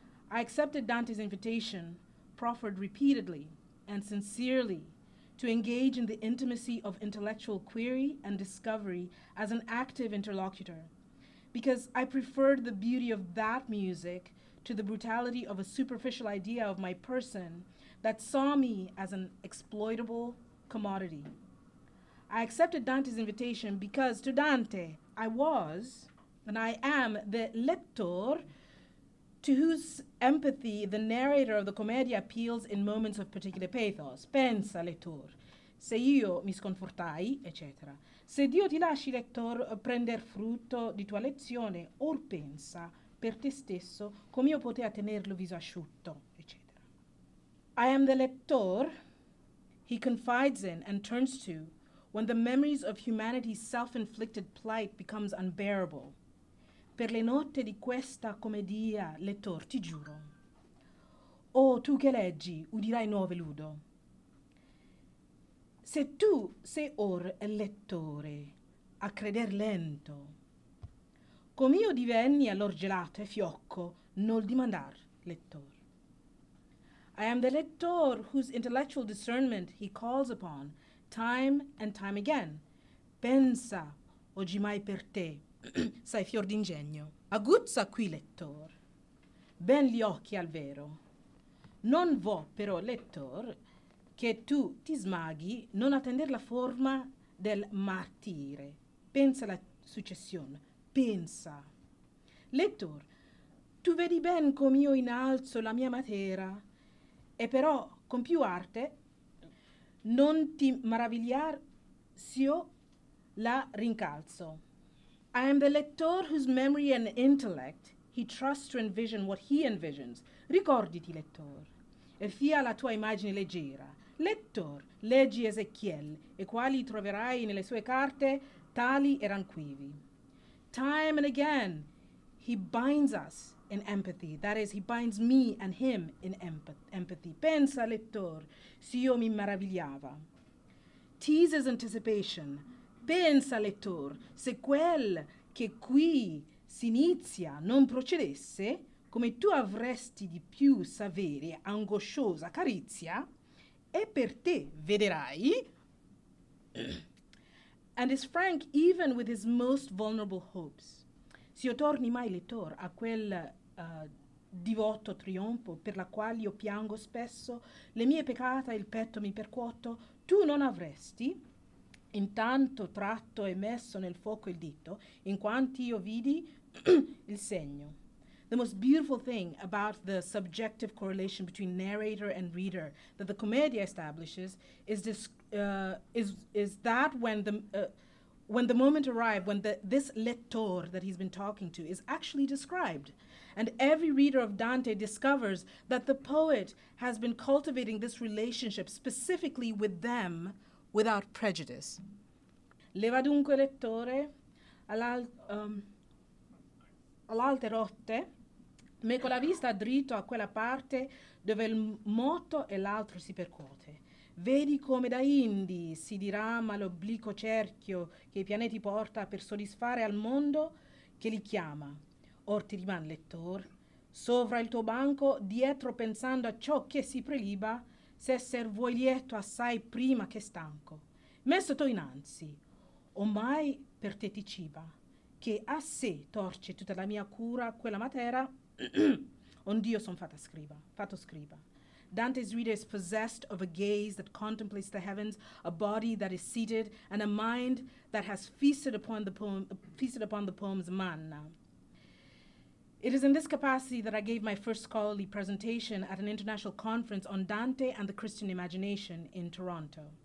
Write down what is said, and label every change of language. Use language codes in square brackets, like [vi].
[en] I accepted Dante's invitation, proffered repeatedly and sincerely, to engage in the intimacy of intellectual query and discovery as an active interlocutor, because I preferred the beauty of that music to the brutality of a superficial idea of my person that saw me as an exploitable commodity. I accepted Dante's invitation because to Dante, I was, and I am, the lector to whose empathy the narrator of the commedia appeals in moments of particular pathos. [it] Pensa, lettore. Se io mi sconfortai, eccetera. Se Dio ti lasci, lector, prender frutto di tua lezione, or pensa per te stesso come io potea tenerlo viso asciutto, eccetera. [en] I am the lector he confides in and turns to when the memories of humanity's self-inflicted plight becomes unbearable. [it] Per le notte di questa commedia, lettor, ti giuro. Oh, tu che leggi, udirai nuove ludo. Se tu sei or lettore, a creder lento. Com' io divenni allor gelato e fiocco, nol dimandar, lettor. [en] I am the lettor whose intellectual discernment he calls upon time and time again. [it] Pensa oggi mai per te. Sai fior d'ingegno. Aguzza qui, lettor. Ben gli occhi al vero. Non vo però, lettor, che tu ti smaghi non attender la forma del martire. Pensa la successione. Pensa. Lettor, tu vedi ben com'io innalzo la mia matera e però con più arte non ti maravigliar s'io la rincalzo. [en] I am the lettore whose memory and intellect he trusts to envision what he envisions. [it] Ricorditi, lettore, e fia la tua immagine leggera. Lettore, leggi Ezechiel, e quali troverai nelle sue carte, tali eran quivi. [en] Time and again, he binds us in empathy. That is, he binds me and him in empathy. [it] Pensa, lettore, se io mi meravigliava. [en] Teases anticipation. [it] Pensa, lettor, se quel che qui s'inizia non procedesse, come tu avresti di più savere angosciosa carizia, e per te vederai. [en] And is frank even with his most vulnerable hopes. [it] Se io torni mai, lettor, a quel divoto trionfo per la quale io piango spesso, le mie peccata e il petto mi percuoto, tu non avresti, intanto tratto e messo nel fuoco il dito, in quanti io vidi il segno. [en] The most beautiful thing about the subjective correlation between narrator and reader that the commedia establishes is this: when the moment arrived, when this lettore that he's been talking to is actually described, and every reader of Dante discovers that the poet has been cultivating this relationship specifically with them. Without prejudice. [it] Leva dunque lettore all'alte rotte, meco la vista dritto a quella parte dove il moto e l'altro si percuote. Vedi come da indi si dirama l'obliquo cerchio che i pianeti porta per soddisfare al mondo che li chiama. Or ti riman lettore, sovra il tuo banco, dietro pensando a ciò che si preliba, se esser vuoi lieto assai prima che stanco. Messo tu innanzi, ormai per te ti ciba, che a sé torce tutta la mia cura quella matera ond'io son fatto scriba. [en] Dante's reader is possessed of a gaze that contemplates the heavens, a body that is seated, and a mind that has feasted upon the poem's manna. It is in this capacity that I gave my first scholarly presentation at an international conference on Dante and the Christian imagination in Toronto.